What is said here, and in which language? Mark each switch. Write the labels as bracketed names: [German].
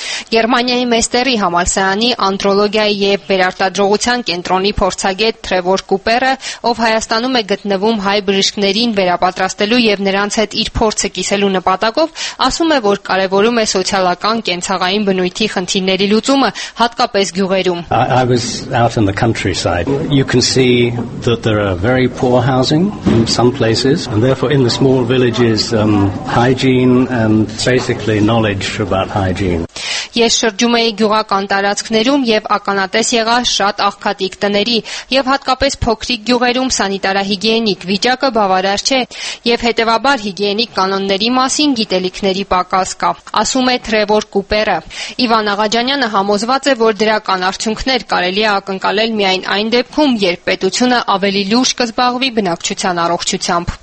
[Armenian] Գերմանիայի Մեստերի համալսարանի անդրոլոգիայի և վերարտադրողության կենտրոնի փորձագետ Տրևոր Կուպերը, ով Հայաստանում է գտնվում հայ բժիշկներին վերապատրաստելու և նրանց հետ իր փորձը կիսելու նպատակով, ասում է, որ կարևորում է սոցիալական կենցաղային բնույթի խնդիրների լուծումը, հատկապես գյուղերում։ [English] I was out in the countryside. You can see that there are very poor housing in some places, and therefore in the small villages hygiene and basically knowledge about hygiene. [Armenian] ես շրջում էի գյուղական տարածքներում եւ ականատես եղա շատ աղքատիկ տների եւ հատկապես փոքրիկ գյուղերում սանիտարահիգիենիկ վիճակը բավարար չէ եւ հետեւաբար հիգիենիկ կանոնների մասին գիտելիքների պակաս կա, ասում է Տրևոր Կուպերը։ Իվան Աղաջանյանը համոզված է, որ դրական արդյունքներ կարելի է ակնկալել միայն այն դեպքում, երբ պետությունը ավելի լուրջ կզբաղվի բնակչության առողջությամբ։